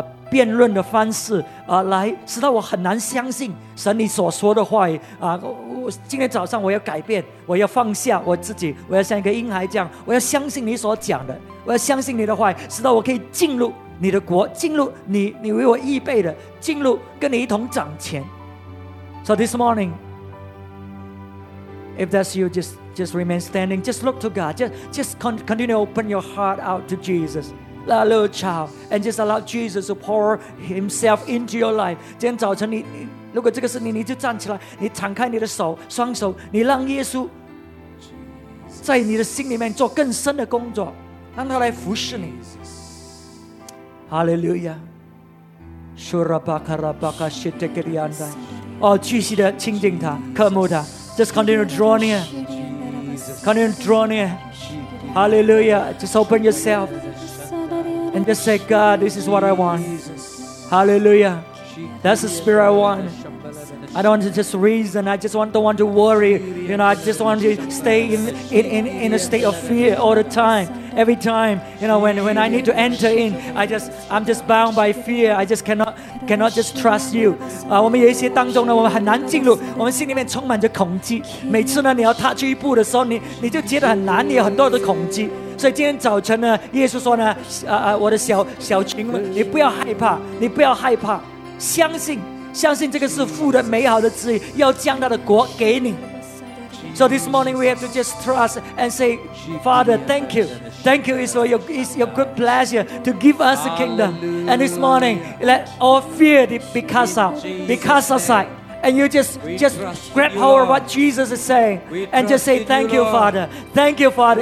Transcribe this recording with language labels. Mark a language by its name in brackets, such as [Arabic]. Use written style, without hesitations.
[Chinese] 辩论的方式来使到我很难相信神你所说的话语我今天早上我要改变，我要放下我自己，我要像一个婴孩这样，我要相信你所讲的，我要相信你的话语，使到我可以进入你的国，进入你为我预备的，进入跟你一同掌权。 [English] So this morning, if that's you, just remain standing, just look to God, just continue to open your heart out to JesusLike a little child, and just allow Jesus to pour himself into your life. [Chinese] 今天早晨你如果这个是你，你就站起来，你敞开你的手，双手，你让耶稣在你的心里面做更深的工作，让他来服侍你。 [English] Hallelujah. Shurabakarabaka shitekirianda. [Chinese] Oh, 继续的亲近他，渴慕他。 [English] Just continue to draw near. Continue to draw near. Hallelujah. Just open yourself. And just say, God, this is what I want. Hallelujah. That's the spirit I want. I don't want to just reason. I just don't want to worry. You know, I just want to stay in a state of fear all the time. Every time, you know, when I need to enter in, I'm just bound by fear. I just cannot just trust you. [Chinese] 我们有一些当中呢，我们很难进入，我们心里面充满着恐惧。每次呢，你要踏出一步的时候，你就觉得很难，你有很多的恐惧。所以今天早晨呢，耶稣说呢，我的小群们，你不要害怕，你不要害怕，相信这个是父的美好的旨意，要将他的国给你。 [English] So this morning we have to just trust and say, Father, thank you. Thank you, it's your good pleasure to give us the kingdom. And this morning, let all fear be cast aside. And you just grab hold of what Jesus is saying and just say, thank you, Father. Thank you, Father.